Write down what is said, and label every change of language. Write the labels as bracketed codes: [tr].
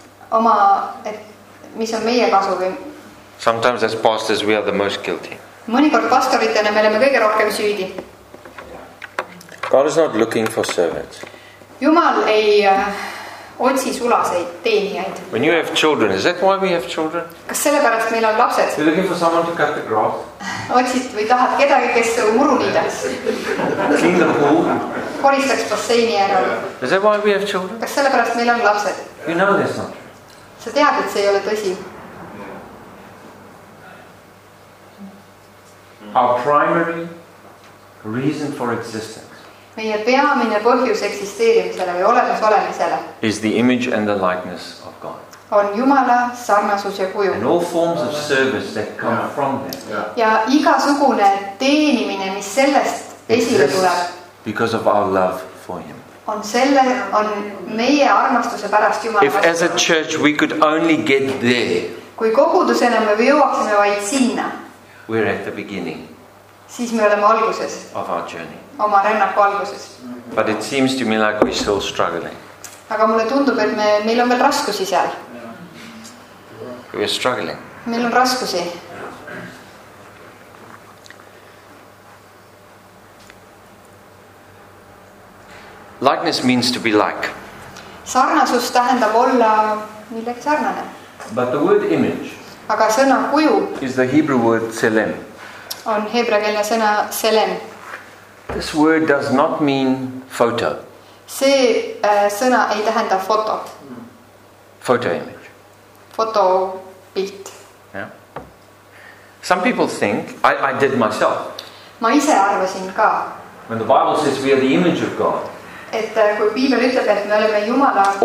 [et] Oma et mis on meie kasu või. [en] Sometimes as pastors we are the most guilty. [et] Mõnikord pastoritena me oleme kõige rohkem süüdi. [en] God is not looking for servants. [et] Jumal ei otsi sulaseid teenijaid. [en] When you have children, is that why we have children? [et] Kas sellepärast meil on lapsed? [en] You're looking for someone to cut the grass. [et] Otsid või tahad kedagi, kes muru niida. [en] Clean the pool. [et] Koristaks basseini ära. [en] Is that why we have children? [et] Kas sellepärast meil on lapsed? [en] You know this not. [et] Sa tead, et see ei ole tõsi. [en] Our primary reason for existence. [et] Meie peamine põhjus eksisteerimisele või olemas olemisele [en] is the image and the likeness of God. [et] On Jumala sarnasus ja kuju. [en] And all forms of service that come from that. [et] Ja igasugune teenimine, mis sellest esile tuleb. [en] Because of our love for him. [et] On selle, on meie armastuse pärast Jumala vastu. [en] If as a church we could only get there. [et] Kui kogudusena me jõuaksime vaid sinna. [en] We're at the beginning. [et] Siis me oleme alguses. [en] Of our journey. [et] Oma rännaku alguses. [en] But it seems to me like we're still struggling. [et] Aga mulle tundub, et meil on veel raskusi seal. [en] We're struggling. [et] Meil on raskusi. [en] Likeness means to be like. [et] Sarnasus tähendab olla millegi sarnane. [en] But the word image. [et] Aga sõna kuju. [en] Is the Hebrew word tselem. [et] On heebra keele sõna tselem. [en] This word does not mean photo. [et] See sõna ei tähenda foto. [en] Photo image. [et] Foto pilt. [en] Yeah. Some people think, I did myself. [et] Ma ise arvasin ka. [en] When the Bible says we are the image of God. [et] Et kui Biibel ütleb, et me oleme Jumala kuju.